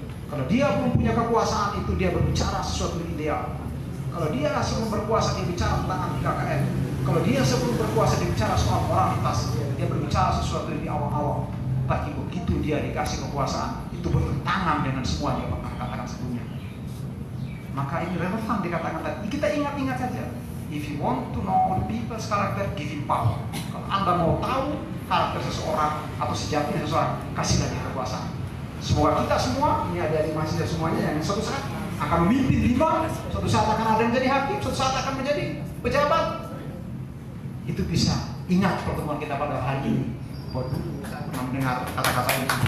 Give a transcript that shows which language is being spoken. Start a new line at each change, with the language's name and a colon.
Indonesian: Kalau dia belum punya kekuasaan itu, dia berbicara sesuatu ideal. Kalau dia sebelum berkuasa, dia bicara tentang anti-KKN. Kalau dia sebelum berkuasa, dia bicara soal moralitas. Dia berbicara sesuatu di awal-awal. Tapi begitu dia dikasih kekuasaan, itu bertentangan dengan semua yang pernah katakan sebelumnya. Maka ini relevan dikatakan tadi. Kita ingat-ingat saja.
English: If you want to know people's character, give him power.
Indonesian: Kalau Anda mau tahu karakter seseorang atau sejatinya seseorang, kasihlah dia kekuasaan. Semoga kita semua, ini ada di mahasiswa semuanya yang suatu saat akan memimpin lima, suatu saat akan ada yang jadi hakim, suatu saat akan menjadi pejabat. Itu bisa ingat pertemuan kita pada hari ini. Waduh, kita pernah mendengar kata-kata ini.